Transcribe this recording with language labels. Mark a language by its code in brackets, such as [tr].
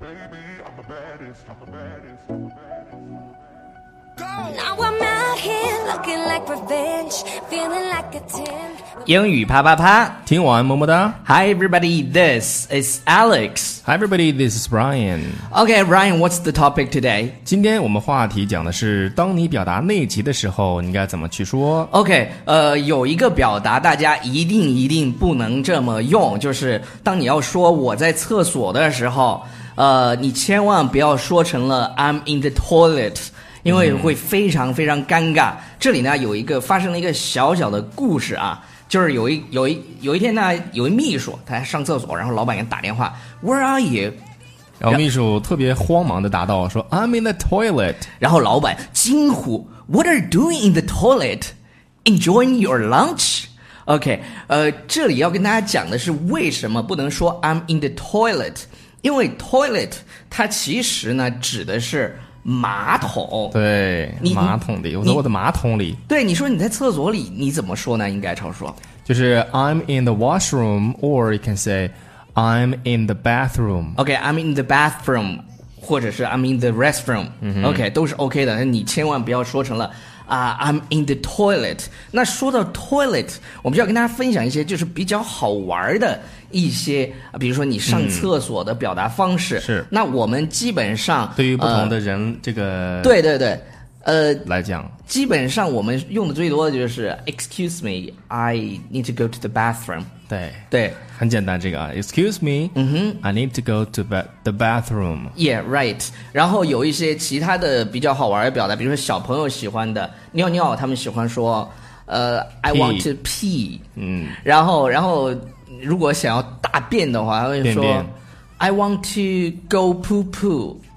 [en] Baby, I'm the baddest, I'm the baddest, I'm the baddest. Now I'm out here looking like revenge, feeling like a 10. [zh] 英语啪啪啪，听完么么哒。 [en] Hi everybody, this is Alex. Hi everybody, this is Brian. Okay, Brian, what's the topic today? [zh] 今天我们话题讲的是，当你表达内急的时候，你该怎么去说？ Okay, 有一个表达大家一定一定不能这么用，就是当你要说我在厕所的时候，你千万不要说成了 [en] I'm in the toilet。 [zh] 因为会非常非常尴尬。这里呢有一个发生了一个小小的故事啊，就是有一天呢，有一秘书他在上厕所，然后老板给他打电话 [en] Where are you？ [zh] 然后秘书特别慌忙的答道，说 [en] I'm in the toilet。 [zh] 然后老板惊呼 [en] What are you doing in the toilet? Enjoying your lunch? [zh] OK， 这里要跟大家讲的是为什么不能说 [en] I'm in the toilet， [zh] 因为 toilet 它其实呢指的是马桶，对，马桶里，我的马桶里。对，你说你在厕所里，你怎么说呢？应该超说，就是 [en] I'm in the washroom， or you can say I'm in the bathroom. OK， I'm in the bathroom， [zh] 或者是 [en] I'm in the restroom.、嗯、 [zh] OK， 都是 OK 的。你千万不要说成了啊、 [en] I'm in the toilet。 [zh] 那说到 toilet， 我们就要跟大家分享一些就是比较好玩的一些，比如说你上厕所的表达方式、嗯、是。那我们基本上对于不同的人、这个对对对，来讲，基本上我们用的最多的就是 [en] Excuse me, I need to go to the bathroom。 [zh] 对对，很简单，这个 Excuse me、嗯、哼 [en] I need to go to the bathroom。 Yeah, right。 [zh] 然后有一些其他的比较好玩的表达，比如说小朋友喜欢的尿尿，他们喜欢说 [en] I want to pee。嗯， [zh] 然后如果想要大便的话，他会说便便 [en] I want to go poo poo。